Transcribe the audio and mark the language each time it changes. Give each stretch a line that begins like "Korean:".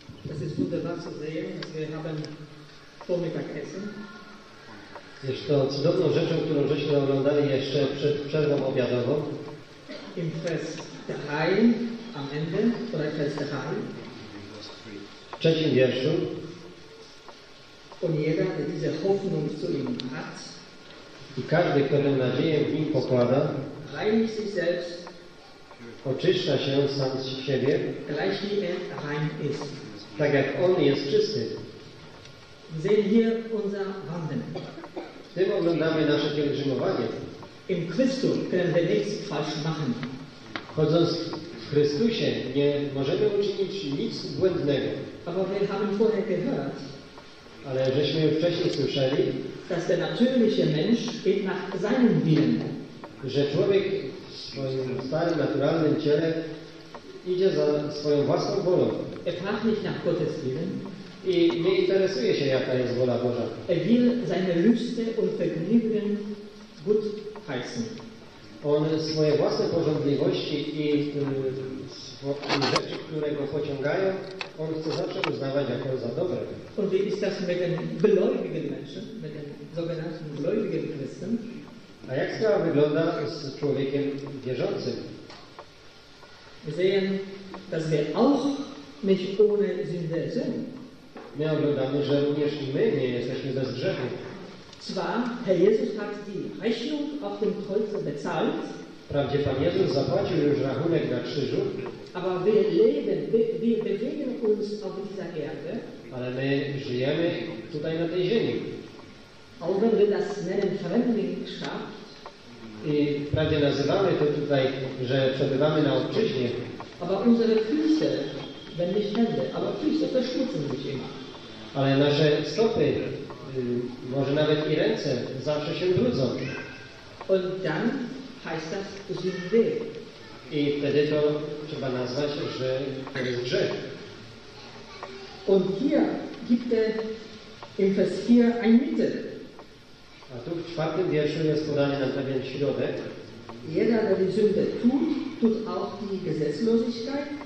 German: Es ist wunderbar zu sehen, dass wir haben Vormittagessen.
Polish: Jest to cudowną rzeczą, którą żeśmy oglądali jeszcze przed przerwą obiadową.
German: Im Vers 3 am Ende, oder Vers 3.
Polish: W trzecim wierszu.
German: Und jeder, der diese Hoffnung zu ihm hat.
Polish: I każdy, kto tę nadzieję w nim pokłada.
German: Reinigt sich selbst.
Polish: Oczyszcza się sam z siebie.
German: Gleich wie er rein ist.
Polish: Tak jak on jest czysty.
German: Sehen hier unser Wandel.
Polish: Tym oglądamy nasze pielgrzymowanie.
German: Im Christu können wir nichts falsch machen.
Polish: Chodząc w Chrystusie, nie możemy uczynić nic błędnego.
German: Aber wir haben vorher gehört,
Polish: ale żeśmy już wcześniej słyszeli,
German: dass der natürliche Mensch geht nach seinem Willen.
Polish: Że człowiek w swoim starym, naturalnym ciele idzie za swoją własną wolą.
German: Er fragt nicht nach Gottes Willen.
Polish: I nie interesuje się, jaka jest wola Boża.
German: Er will seine Lüste und Vergnügen gut heißen.
Polish: On swoje własne porządliwości i rzeczy, które go pociągają, on chce zawsze uznawać jako za dobre.
German: Und wie ist das mit den gläubigen Menschen, mit den sogenannten gläubigen Christen?
Polish: A jak sprawa wygląda z człowiekiem wierzącym?
German: Wir sehen, dass wir auch nicht ohne Sünde sind.
Polish: My oglądamy, że również i my nie jesteśmy bez grzechu.
German: Zwar, Herr Jesus hat die Rechnung auf dem Kreuze bezahlt.
Polish: Wprawdzie Pan Jezus zapłacił już rachunek na krzyżu.
German: Aber wir leben, wir bewegen uns auf dieser Erde.
Polish: Ale my żyjemy tutaj na tej ziemi.
German: Auch wenn wir das nennen Fremdlingschaft.
Polish: I wprawdzie nazywamy to tutaj, że przebywamy na obczyźnie.
German: Aber unsere Füße. Wenn nicht Hände, aber Füße verschmutzen sich immer.
Polish: Ale nasze stopy, może nawet i ręce, zawsze się brudzą.
German: Und dann heißt das Sünde.
Polish: I wtedy to trzeba nazwać, że to jest grzech.
German: Und hier gibt es im Vers 4 ein Mittel.
Polish: A tu w czwartym wierszu jest podany na pewien środek.
German: Jeder, der die Sünde tut, tut auch die Gesetzlosigkeit.